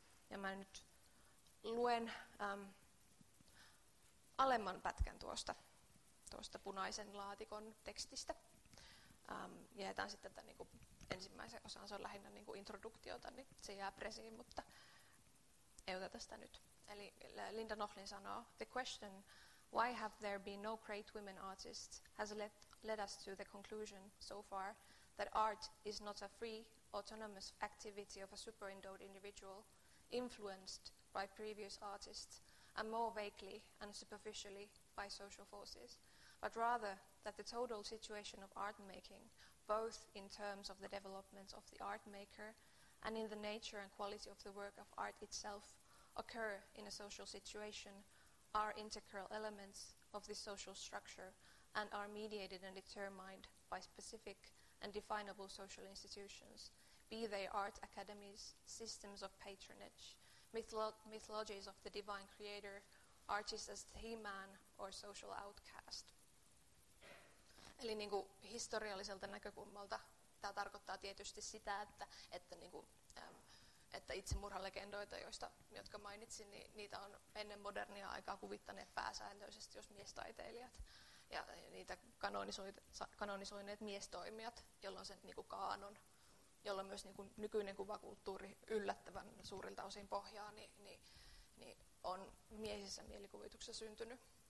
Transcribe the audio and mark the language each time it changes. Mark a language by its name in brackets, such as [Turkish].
[Finnish] Ja mä nyt luen alemman pätkän tuosta punaisen laatikon tekstistä. Jätetään sitten tämän niin kuin ensimmäisen osan, se on lähinnä niin kuin introduktiota, niin se jää presiin, mutta ei oteta sitä nyt. [English] Eli Linda Nochlin sanoo, "The question, why have there been no great women artists, has led us to the conclusion so far that art is not a free, autonomous activity of a superendowed individual, influenced by previous artists, and more vaguely and superficially by social forces, but rather that the total situation of art making, both in terms of the development of the art maker and in the nature and quality of the work of art itself, occur in a social situation are integral elements of this social structure and are mediated and determined by specific and definable social institutions, be they art academies, systems of patronage, mythologies of the divine creator, artists as the he-man or social outcast. [Finnish] Eli niin kuin historialliselta näkökulmalta tämä tarkoittaa tietysti sitä, että niin kuin, että itsemurhalegendoita, joista, jotka mainitsin, niin niitä on ennen modernia aikaa kuvittaneet pääsääntöisesti jos miestaiteilijat. Ja niitä kanonisoineet miestoimijat, jolloin se niin kuin kaanon, jolloin myös niin kuin nykyinen kuvakulttuuri yllättävän suurilta osin pohjaa, niin on miehisessä mielikuvituksessa syntynyt.